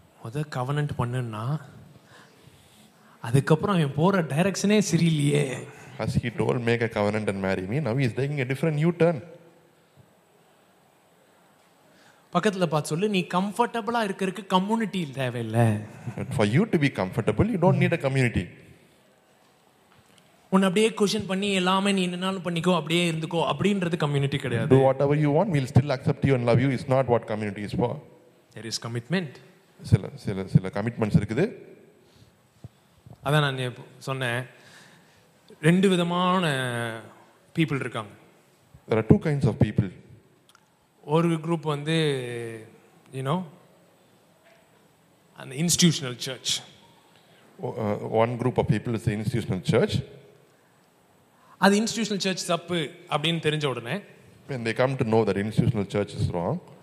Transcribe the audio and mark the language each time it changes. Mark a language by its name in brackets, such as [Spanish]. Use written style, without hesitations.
[Tamil] முதல் கவனன்ட் பண்ணுன்னா அதுக்கப்புறம் அவன் போற டைரக்ஷனே சரியில்லையே [English] as he told make a covenant and marry me now he is taking a different new turn [Tamil] பக்கத்துல பார்த்து சொல்லு நீ கம்ஃபர்டபிளா இருக்கிறதுக்கு கம்யூனிட்டி இல்ல தேவையில்ல [English] for you to be comfortable you don't need a community [Tamil] உன்ன அப்படியே குஷன் பண்ணி எல்லாமே நீ என்னாலும் பண்ணிக்கோ அப்படியே இருந்துக்கோ அப்படின்றது கம்யூனிட்டி கிடையாது [English] do whatever you want we'll still accept you and love you is not what community is for there is commitment [Tamil] சில சில சில கமிட்மெண்ட்ஸ் இருக்குது அதான் நான் சொன்னேன் ரெண்டு விதமான பீப்புள் இருக்காங்க [English] there are two kinds of people [Tamil] ஒரு குரூப் வந்து யூனோ அந்த institutional search [English] one group of people is the institutional church [Tamil] அது இன்ஸ்டிடியூஷனல் சர்ச் தப்பு அப்படின்னு தெரிஞ்ச உடனே [English] when they come to know that institutional church is wrong